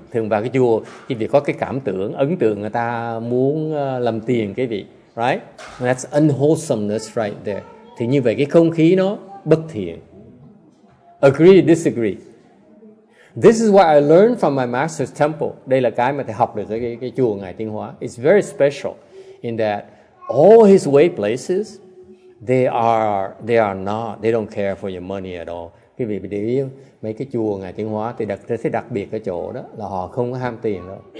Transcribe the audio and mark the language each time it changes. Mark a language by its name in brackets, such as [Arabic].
[Vietnamese] Thường vào cái chùa, quý vị có cái cảm tưởng, ấn tượng người ta muốn làm tiền quý vị. [English] Right? That's unwholesomeness right there. [Vietnamese] Thì như vậy cái không khí nó bất thiện. [English] Agree, disagree? This is what I learned from my master's temple. [Vietnamese] Đây là cái mà thầy học được ở cái chùa Ngài Tiên Hóa. [English] It's very special in that all his way places, they don't care for your money at all. [Vietnamese] Quý vị để ý, mấy cái chùa Ngài Tiên Hóa thì đặc biệt ở chỗ đó là họ không có ham tiền đâu.